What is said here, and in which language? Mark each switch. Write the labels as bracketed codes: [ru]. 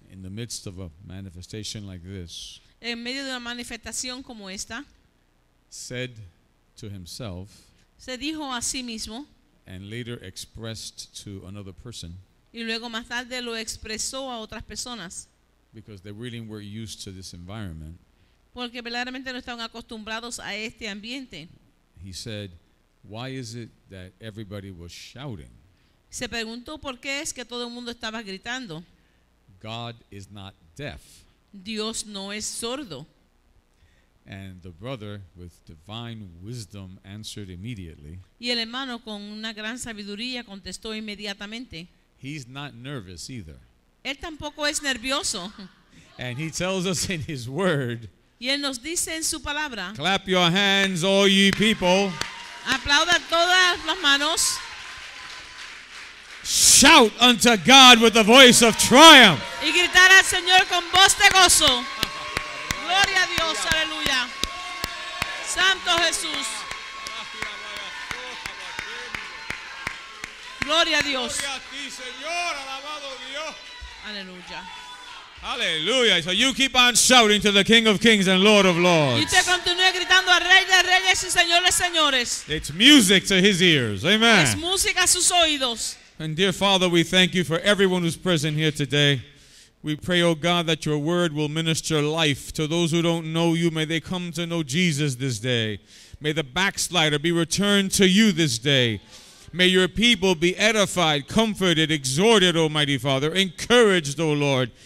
[en] in the midst of a manifestation like this, [es] en medio de una manifestación como esta, [en] said to himself, [es] se dijo a sí mismo, [en] and later expressed to another person, [es] y luego más tarde lo expresó a otras personas, [en] because they really were used to this environment, [es] porque verdaderamente no estaban acostumbrados a este ambiente. [en] He said, "Why is it that everybody was shouting?" [es] Se preguntó por qué es que todo el mundo estaba gritando. [en] God is not deaf. [es] Dios no es sordo. [en] And the brother with divine wisdom answered immediately. [es] Y el hermano con una gran sabiduría contestó inmediatamente. [en] He's not nervous either. [es] Él tampoco es nervioso. [en] And he tells us in his word. [es] Y él nos dice en su palabra. [en] Clap your hands, all ye people. [es] Aplauda todas las manos. [en] Shout unto God with the voice of triumph. [es] Y gritar al Señor con voz de gozo. Gloria a Dios, aleluya. Santo Jesús. Gloria a Dios. Gloria a ti, Señor, alabado Dios. Aleluya. [en] Hallelujah. So you keep on shouting to the King of Kings and Lord of Lords. [es] Y te continúe gritando al Rey de Reyes y Señor de Señores. [en] It's music to his ears. Amen. [es] Es música a sus oídos. [en] And dear Father, we thank you for everyone who's present here today. We pray, O God, that your word will minister life to those who don't know you. May they come to know Jesus this day. May the backslider be returned to you this day. May your people be edified, comforted, exhorted, O mighty Father, encouraged, O Lord.